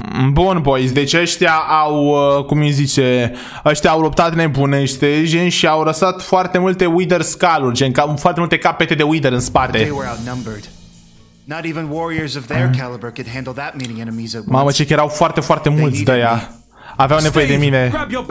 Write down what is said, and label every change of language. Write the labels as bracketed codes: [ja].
[ro] Bun, boys, deci ăștia au, cum îi zice, ăștia au luptat nebunește, gen, și au răsat foarte multe Wither Skull-uri, gen, foarte multe capete de Wither în spate. [en] Not even warriors of their caliber could handle that many enemies at once. [ro] Mamă, ce că erau foarte, foarte mulți de ea. Aveau nevoie de mine.